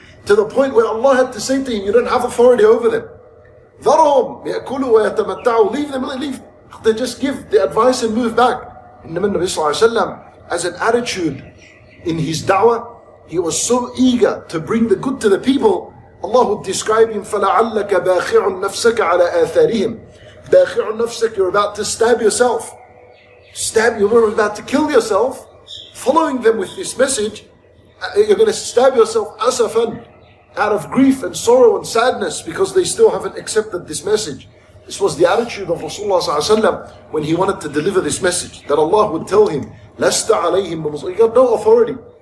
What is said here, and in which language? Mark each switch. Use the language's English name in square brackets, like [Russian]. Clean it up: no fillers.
[English] To the point where Allah had to say to him, you don't have authority over them. [Arabic] ذَرْهُمْ يَأْكُلُوا وَيَتَمَتَّعُوا. [English] Leave them, leave. They just give the advice and move back. Nabi Sallallahu Alaihi Wasallam, as an attitude in his da'wah, he was so eager to bring the good to the people. Allah would describe him, [Arabic] فَلَعَلَّكَ بَاخِعٌ نَفْسَكَ عَلَىٰ آثَارِهِمْ. بَاخِعٌ نَفْسَكَ. [English] You're about to stab yourself. You're about to kill yourself. Following them with this message, you're going to stab yourself, asafan, out of grief and sorrow and sadness, because they still haven't accepted this message. This was the attitude of Rasulullah صلى الله عليه وسلم when he wanted to deliver this message, that Allah would tell him, [Arabic] لَسْتَ عَلَيْهِمْ بَمُصْرِ. [English] He got no authority.